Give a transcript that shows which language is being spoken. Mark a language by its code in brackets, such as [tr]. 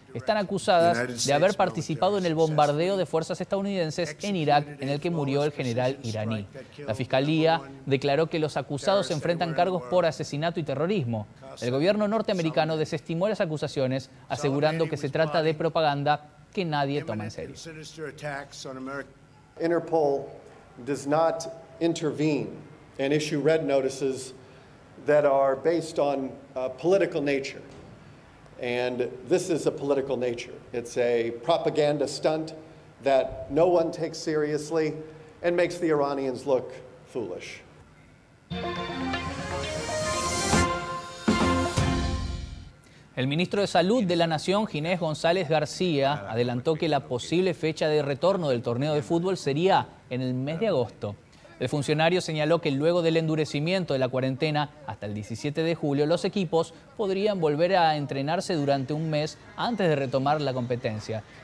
[es] Están acusadas de haber participado en el bombardeo de fuerzas estadounidenses en Irak, en el que murió el general iraní. La fiscalía declaró que los acusados enfrentan cargos por asesinato y terrorismo. El gobierno norteamericano desestimó las acusaciones, asegurando que se trata de propaganda que nadie toma en serio. [en] Interpol does not intervene and issue red notices that are based on political nature. And this is a political nature. It's a propaganda stunt that no one takes seriously and makes the Iranians look foolish. [es] El ministro de Salud de la Nación, Ginés González García, adelantó que la posible fecha de retorno del torneo de fútbol sería en el mes de agosto. El funcionario señaló que luego del endurecimiento de la cuarentena hasta el 17 de julio, los equipos podrían volver a entrenarse durante un mes antes de retomar la competencia.